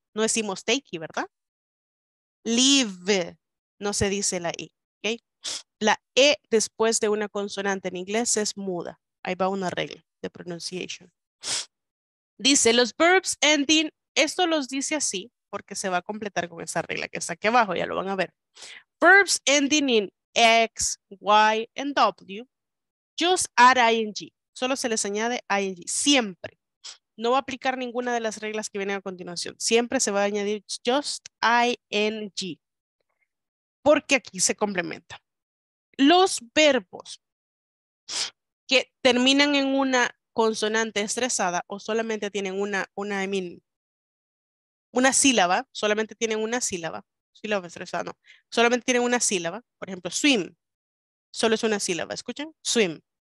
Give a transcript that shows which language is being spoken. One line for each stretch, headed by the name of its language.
Spanish: No decimos takey, ¿verdad? Live. No se dice la I. ¿Okay? La E después de una consonante en inglés es muda. Ahí va una regla de pronunciation. Dice, los verbs ending, esto los dice así, porque se va a completar con esa regla que está aquí abajo, ya lo van a ver.
English: Verbs ending in X, Y, and W, just add ing.
Spanish: Solo se les añade ing, siempre. No va a aplicar ninguna de las reglas que vienen a continuación. Siempre se va a añadir
English: just ing,
Spanish: porque aquí se complementa. Los verbos que terminan en una consonante estresada o solamente tienen una sílaba, solamente tienen una sílaba, sílaba estresada, no, solamente tienen una sílaba, por ejemplo, swim, solo es una sílaba, ¿escuchan? Swim.